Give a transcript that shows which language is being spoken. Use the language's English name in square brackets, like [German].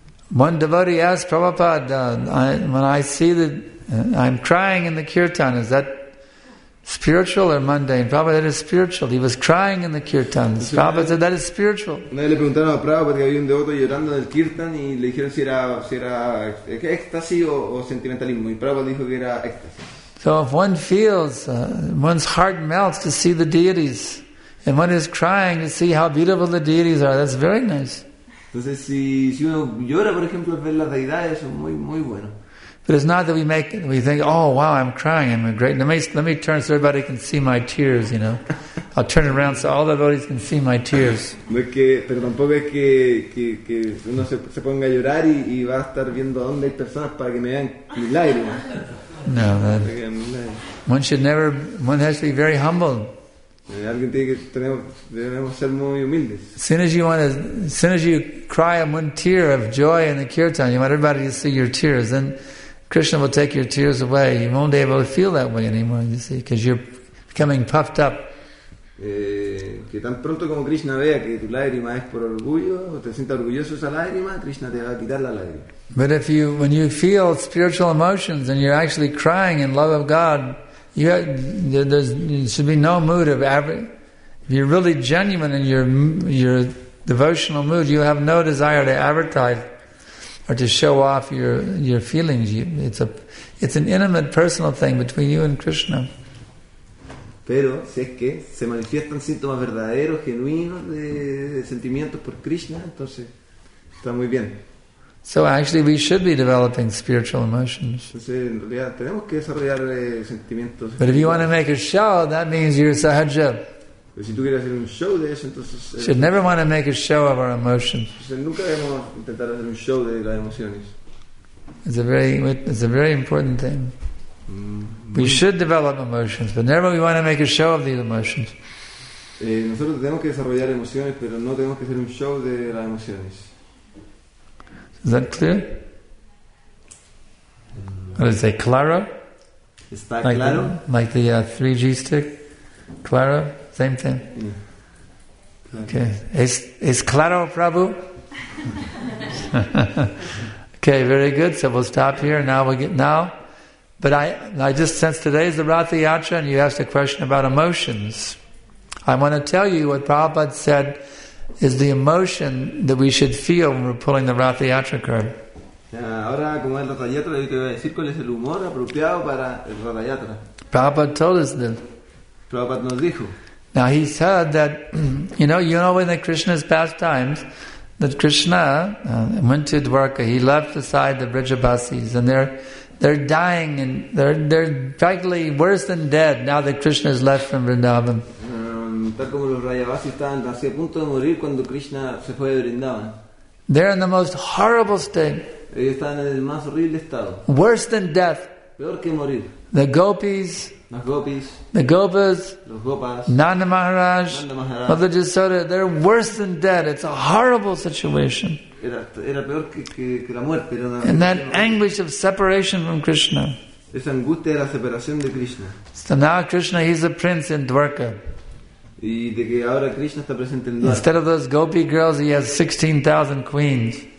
[English] One devotee asked Prabhupada, I'm crying in the kirtan, is that spiritual or mundane? Prabhupada, that is spiritual. He was crying in the kirtan. Prabhupada said, that is spiritual. [Spanish] No, le preguntaron a Prabhupada que había un devoto llorando en el kirtan y le dijeron si era éxtasis o sentimentalismo. Y Prabhupada dijo que era éxtasis. [English] So if one feels, one's heart melts to see the deities, and one is crying to see how beautiful the deities are, that's very nice. [Spanish] Entonces, si uno llora, por ejemplo, ver las deidades, eso es muy, muy bueno. [English] But it's not that we think, oh wow, I'm crying, I'm great. Let me turn so everybody can see my tears, you know. I'll turn it around so all the devotees can see my tears. [Spanish] No es que, pero tampoco es que uno se ponga a llorar y va a estar viendo dónde hay personas para que me vean mis lágrimas. [English] No, that, one should never. One has to be very humble. [Spanish] Alguien tiene que debemos ser muy humildes. [English] As soon as you cry in one tear of joy in the kirtan, you want everybody to see your tears, then Krishna will take your tears away. You won't be able to feel that way anymore, you see, because you're becoming puffed up. [Spanish] Que tan pronto como Krishna vea que tu lágrima es por orgullo, o te sientas orgulloso esa lágrima, Krishna te va a quitar la lágrima. [English] But if you, when you feel spiritual emotions and you're actually crying in love of God, there should be no mood of average. If you're really genuine in your devotional mood, you have no desire to advertise or to show off your feelings. It's an intimate personal thing between you and Krishna. [Spanish] Pero si es que se manifiestan síntomas verdaderos, genuinos de sentimientos por Krishna, entonces está muy bien. [English] So actually we should be developing spiritual emotions. [Spanish] Entonces, en realidad, tenemos que desarrollar sentimientos. [English] But if you want to make a show, that means you're sahaja. [Spanish] Si tú quieres hacer un show de eso, entonces, [English] should never want to make a show of our emotions. [Spanish] Nunca debemos intentar hacer un show de las emociones. [English] It's a very important thing. We should develop emotions, but never we want to make a show of these emotions. [Spanish] Nosotros tenemos que desarrollar emociones, pero no tenemos que hacer un show de las emociones. [English] Is that clear? What did I say? [Spanish] Claro? Está claro? [English] Like the 3G stick? [Spanish] Claro? [English] Same thing. Okay. [Spanish] Es claro, Prabhu? [English] Okay, very good. So we'll stop here. Now we'll get... Now, but I just... Since today is the Ratha Yatra and you asked a question about emotions, I want to tell you what Prabhupada said is the emotion that we should feel when we're pulling the Ratha Yatra curve. [Spanish] Ahora, como el Ratha Yatra, yo te voy a decir cuál es el humor apropiado para el Ratha Yatra. [English] Prabhupada told us this. [Spanish] Prabhupada nos dijo... [English] Now he said that, you know in the Krishna's pastimes, that Krishna went to Dwarka, he left aside the Vrijabhasis, and they're dying, and they're practically worse than dead now that Krishna has left from Vrindavan. [Spanish] Tal como los Vrijabhasis estaban casi a punto de morir cuando Krishna se fue de Vrindavan. [English] They're in the most horrible state. [Spanish] Ellos están en el más horrible estado. [English] Worse than death. [Spanish] Peor que morir. [English] The gopis... [Spanish] Las gopis, [English] the gopas, [Spanish] los gopas, [English] Nanda Maharaj, Mother Jasoda, they're worse than dead. It's a horrible situation. [Spanish] era peor que la muerte, era una, [English] and that anguish of separation from Krishna. [Spanish] Esa angustia de la separación de Krishna. [English] So now Krishna, he's a prince in Dwarka. [Spanish] Y de que ahora Krishna está presente en Dwarka. [English] Instead of those gopi girls, he has 16,000 queens.